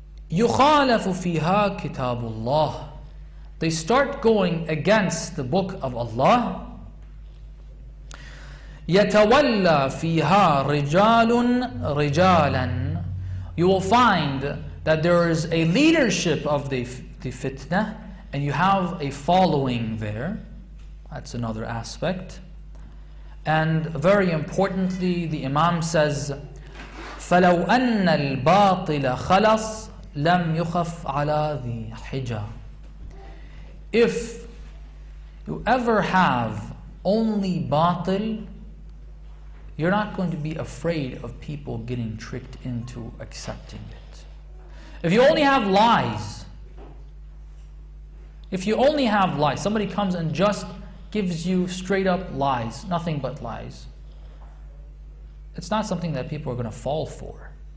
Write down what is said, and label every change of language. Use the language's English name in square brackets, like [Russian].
[Arabic] Yukhalafu fiha kitabullah. [English] They start going against the book of Allah. [Arabic] Yatawalla fiha rijalun rijalan. [English] You will find that there is a leadership of the fitna, and you have a following there. That's another aspect. And very importantly, the Imam says, [Arabic] فَلَوْ أَنَّ الْبَاطِلَ خَلَصْ لَمْ يُخَفْ عَلَى ذِي حِجَى. [English] If you ever have only batil, you're not going to be afraid of people getting tricked into accepting it. If you only have lies, if you only have lies, somebody comes and just gives you straight up lies, nothing but lies, it's not something that people are going to fall for.